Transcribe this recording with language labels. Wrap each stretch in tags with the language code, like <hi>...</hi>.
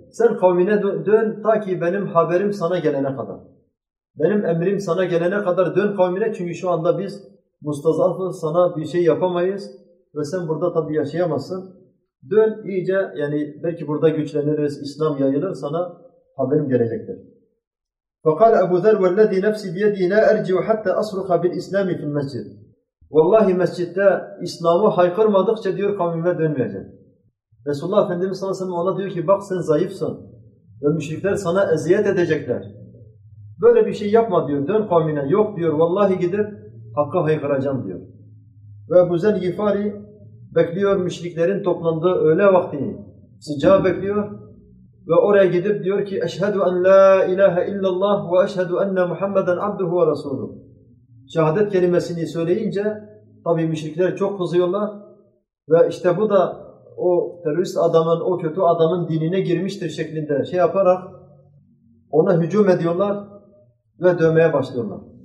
<tr>Sen kavmine dön ta ki benim haberim sana gelene kadar. Benim emrim sana gelene kadar dön kavmine, çünkü şu anda biz mustazafız, sana bir şey yapamayız ve sen burada tabii yaşayamazsın. Dön iyice, yani belki burada güçleniriz, İslam yayılır, sana haberim gelecektir.</tr> <ar>فَقَالَ أَبُوْ ذَرْ وَالَّذ۪ي نَفْسِ بِيَد۪ي لَا اَرْجِوَ حَتَّى أَصْرُخَ بِالْاِسْلَامِ فِي الْمَسْجِدِ</ar> <tr>Vallahi mescitte İslam'ı haykırmadıkça diyor kavmime dönmeyeceğim. Resulullah Efendimiz sallallahu aleyhi ve sellem ona diyor ki, bak sen zayıfsın ve müşrikler sana eziyet edecekler. Böyle bir şey yapma diyor, dön kavmine. Yok diyor, vallahi gidip hakkı haykıracağım diyor. Ve Ebu Zer Gifari bekliyor müşriklerin toplandığı öğle vaktini, sıcağı bekliyor ve oraya gidip diyor ki</tr> <ar>اَشْهَدُ اَنْ لَا اِلَٰهَ اِلَّا اللّٰهُ وَاَشْهَدُ اَنَّ مُحَمَّدًا عَبْدُهُ وَرَسُولُهُ</ar> <tr>Şehadet kelimesini söyleyince tabi müşrikler çok kızıyorlar ve işte bu da o terörist adamın, o kötü adamın dinine girmiştir şeklinde şey yaparak ona hücum ediyorlar ve dövmeye başlıyorlar.</tr>